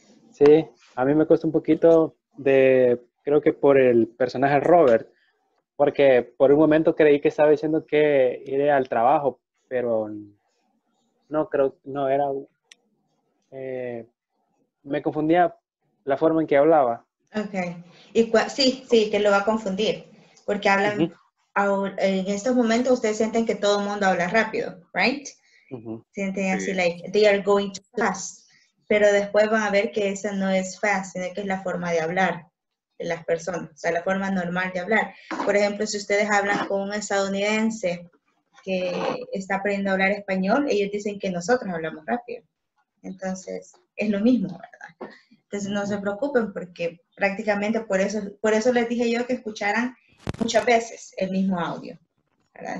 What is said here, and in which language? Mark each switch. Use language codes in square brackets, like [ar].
[es] Sí, a mí me costó un poquito de... Creo que por el personaje Robert, porque por un momento creí que estaba diciendo que iré al trabajo, pero no creo, no era. Me confundía la forma en que hablaba. Ok. Y sí, que lo va a confundir, porque hablan. Uh-huh. En estos momentos ustedes sienten que todo el mundo habla rápido, ¿right? Sienten así, [en] like, they are going too fast. [es] Pero después van a ver que esa no es fast, sino que es la forma de hablar de las personas. O sea, la forma normal de hablar. Por ejemplo, si ustedes hablan con un estadounidense que está aprendiendo a hablar español, ellos dicen que nosotros hablamos rápido. Entonces, es lo mismo, ¿verdad? Entonces, no se preocupen porque prácticamente por eso les dije yo que escucharan muchas veces el mismo audio, ¿verdad?